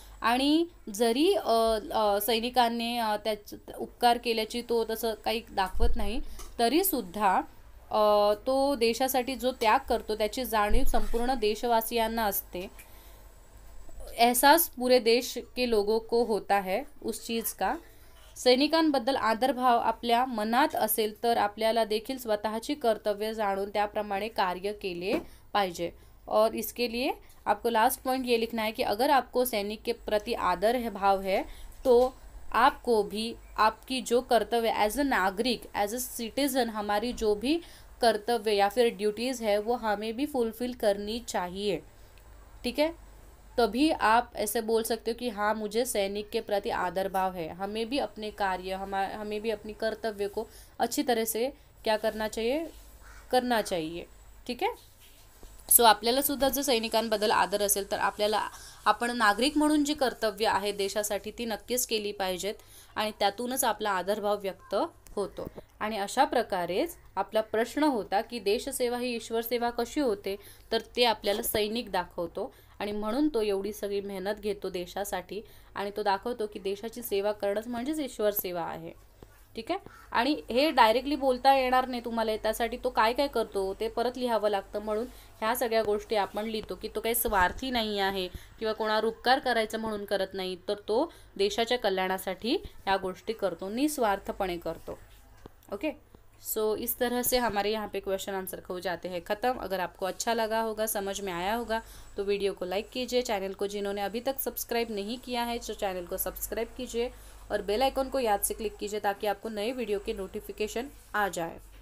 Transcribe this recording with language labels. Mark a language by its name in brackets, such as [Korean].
[Marathi] आणि जरी सैनिकांनी त्याच उपकार केल्याची तो तसं काही दाखवत नाही, तरीसुद्धा तो देशासाठी जो त्याग करतो त्याची जाणीव संपूर्ण देशवासियांना असते, [Hindi] एहसास पूरे देश के लोगों को होता है उस चीज का। [Marathi] सैनिकांबद्दल आदरभाव आपल्या मनात असेल तर आपल्याला देखील स्वतःची कर्तव्य जाणून त्याप्रमाणे कार्य केले पाहिजे। [Hindi] और इसके लिए आपको लास्ट पॉइंट ये लिखना है कि अगर आपको सैनिक के प्रति आदर है, भाव है, तो आपको भी आपकी जो कर्तव्य एज अ नागरिक, [English] as a citizen, [Hindi] हमारी जो भी कर्तव्य या फिर ड्यूटीज है वो हमें भी फुलफिल करनी चाहिए, ठीक है, तभी आप ऐसे बोल सकते हो कि हाँ मुझे सैनिक के प्रति आदर भाव है। हमें भी अपने कार्य, हमें भी अपनी कर्तव्य को अच्छी तरह से क्या करना चाहिए, करना चाहिए, ठीक है। [Marathi] सो आपल्याला सुद्धा जर सैनिकांबद्दल आदर असेल तर आपल्याला आपण नागरिक म्हणून जी कर्तव्य आहे देशासाठी ती नक्कीच केली पाहिजेत, आणि त्यातूनच आपला आदरभाव व्यक्त होतो। आणि अशा प्रकारेच आपला प्रश्न होता की देशसेवा ही ईश्वर सेवा कशी होते, तर ते आपल्याला सैनिक दाखवतो, आणि म्हणून तो एवढी सगळी मेहनत घेतो देशासाठी, आणि तो दाखवतो की देशाची सेवा करणंच म्हणजेच ईश्वर सेवा आहे। ठीक आहे. आणि हे डायरेक्टली बोलता येणार नाही तुम्हाला, त्यासाठी तो काय काय करतो ते परत लिहावं लागतं. म्हणून ह्या सगळ्या गोष्टी आपण लिहितो की तो काही स्वार्थी नाही आहे किंवा कोणावर उपकार करायचं म्हणून करत नाही, तर तो देशाच्या कल्याणासाठी ह्या गोष्टी करतो, निस्वार्थपणे करतो. [Hindi] ओके, सो इस तरह से हमारे यहाँ पे क्वेश्चन आंसर हो जाते हैं खत्म. अगर आपको अच्छा लगा होगा, समझ में आया होगा, तो वीडियो को लाइक कीजिए. चैनल को जिन्होंने अभी तक सब्सक्राइब नहीं किया है तो चैनल को सब्सक्राइब कीजिए और बेल आइकॉन को याद से क्लिक कीजिए ताकि आपको नए वीडियो के नोटिफिकेशन आ जाए.